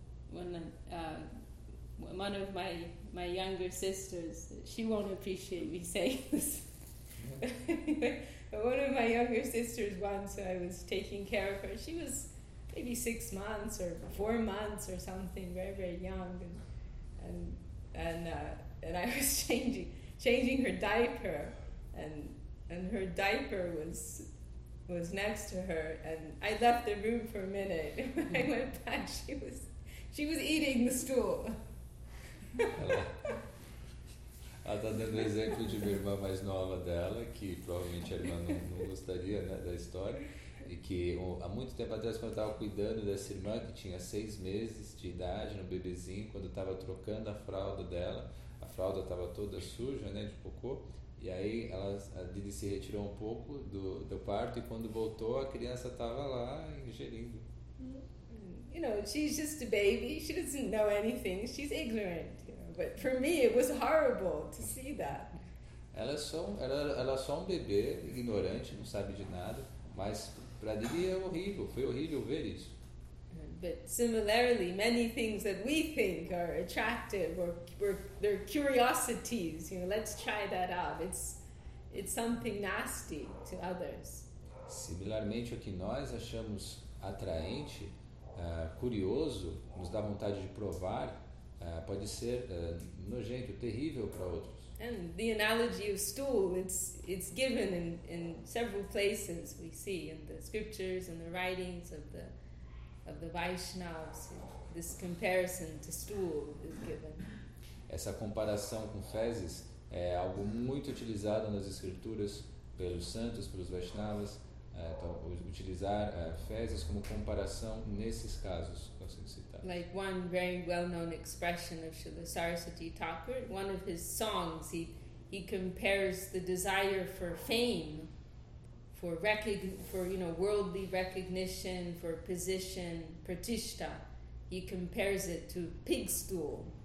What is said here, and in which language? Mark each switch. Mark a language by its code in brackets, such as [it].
[en] One of my younger sisters, she won't appreciate me saying this. But one of my younger sisters, once I was taking care of her, she was maybe 6 months or 4 months or something, very, very young, and I was changing her diaper, and her diaper was next to her, and I left the room for a minute. When I went back, she was eating the stool. [pt] Ela está dando exemplo de uma irmã mais nova dela, que provavelmente a irmã não gostaria, né, da história, e que há muito tempo atrás, quando eu estava cuidando dessa irmã, que tinha 6 meses de idade, um bebezinho, quando eu estava trocando a fralda dela, a fralda estava toda suja, né, de cocô. E aí ela, a Didi se retirou um pouco do parto, e quando voltou a criança estava lá ingerindo. [en] You know, she's just a baby, she doesn't know anything, she's ignorant, you know. But for me it was horrible to see that. [pt] Ela é só um bebê ignorante, não sabe de nada, mas para Didi é horrível, foi horrível ver isso. [en] But similarly, many things that we think are attractive or they're curiosities, you know, let's try that out. It's something nasty to others. [pt] Similarmente, o que nós achamos atraente, curioso, nos dá vontade de provar, pode ser nojento, terrível para outros. [en] And the analogy of stool, it's given in several places we see in the scriptures and the writings of the Vaishnavas, this comparison to stool is given. [pt] Essa comparação com fezes é algo muito utilizado nas escrituras pelos santos, pelos Vaishnavas, utilizar fezes como comparação nesses casos que você citou. [en] Like one very well-known expression of Srila Saraswati Thakur, one of his songs, he compares the desire for fame, for worldly recognition, for position, pratishta, he compares it to pig stool.